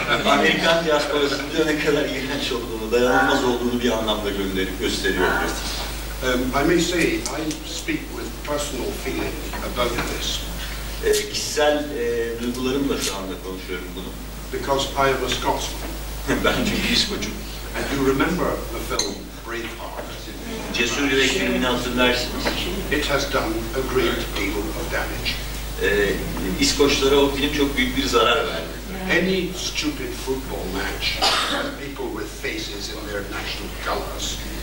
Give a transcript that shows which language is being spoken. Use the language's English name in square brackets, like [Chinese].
[Turkish] Amerikan diasporasının ne kadar iğrenç olduğunu, dayanılmaz olduğunu bir anlamda gösteriyor. [English] I may say, I speak with personal feeling about this. [Turkish] Kişisel duygularımla şu anda konuşuyorum bunu. [English] Because I am a Scotsman. [Turkish] Ben de İskoçum. [English] And you remember the film Braveheart? [Turkish] Cesur Yürek filmini hatırlarsınız. [English] It has done a great deal of damage. [Turkish] İskoçlara o film çok büyük bir zarar verdi. [English] Any stupid football match, people with faces in their national colors.